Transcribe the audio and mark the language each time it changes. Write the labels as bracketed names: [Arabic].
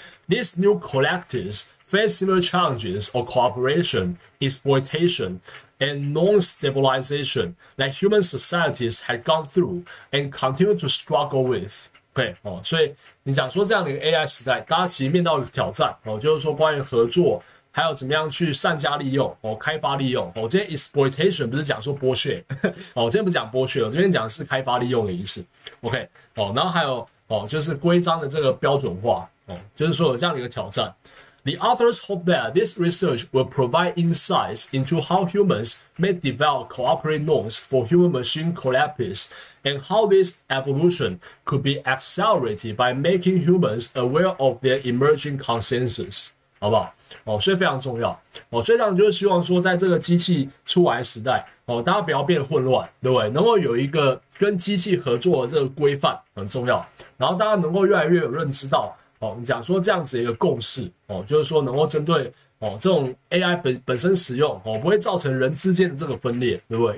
[English] These new collectives face similar challenges of cooperation, exploitation. And non-stabilization that human societies had gone through and continue to struggle with. [Chinese] Okay, 哦，所以你讲说这样的一个 AI 时代，大家其实面到一个挑战哦，就是说关于合作，还有怎么样去善加利用哦，开发利用哦。这边 exploitation 不是讲说剥削哦，这边不讲剥削，我这边讲的是开发利用的意思。 OK, 哦，然后还有哦，就是规章的这个标准化哦，就是说有这样的一个挑战。 [English] The authors hope that this research will provide insights into how humans may develop cooperative norms for human-machine collapse and how this evolution could be accelerated by making humans aware of their emerging consensus. [Chinese] 好不好？哦，所以非常重要。哦，所以这样就是希望说，在这个机器出来的时代，哦，大家不要变混乱，对不对？能够有一个跟机器合作的这个规范很重要，然后大家能够越来越有认知到。哦，你讲说这样子一个共识，哦，就是说能够针对，哦，这种 AI 本身使用，哦，不会造成人之间的这个分裂，对不对？